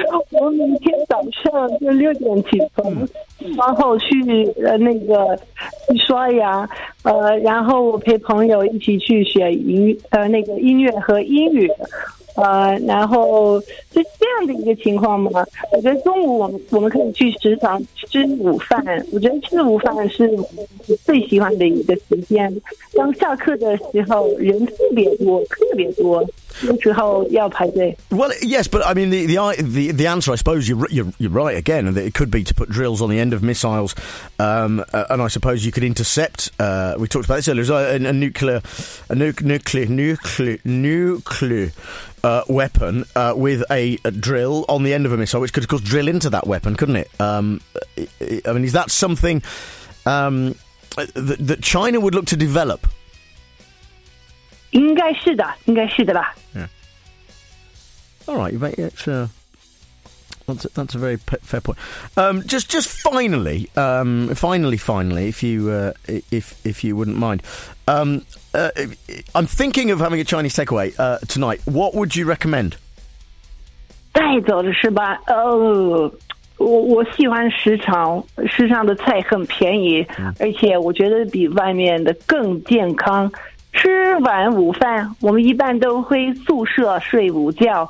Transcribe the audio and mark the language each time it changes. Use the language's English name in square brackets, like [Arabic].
[Chinese] 我明天早上就6点起床，然后去那个去刷牙，然后我陪朋友一起去学那个音乐和英语，然后就这样的一个情况嘛。我觉得中午我们可以去食堂吃午饭，我觉得吃午饭是最喜欢的一个时间。当下课的时候人特别多，特别多。 [English] Well, yes, but I mean the answer, I suppose you're right again, that it could be to put drills on the end of missiles, and I suppose you could intercept. We talked about this earlier, a nuclear weapon with a drill on the end of a missile, which could of course drill into that weapon, couldn't it? I mean, is that something that China would look to develop? [Chinese] 应该是的，应该是的吧。 [English] Yeah. All right, you make it. That's a very fair point. Just finally, if you wouldn't mind, I'm thinking of having a Chinese takeaway tonight. What would you recommend? [Chinese] 带走的是吧？哦，我喜欢时尚，时尚的菜很便宜，而且我觉得比外面的更健康。吃完午饭，我们一般都会宿舍睡午觉。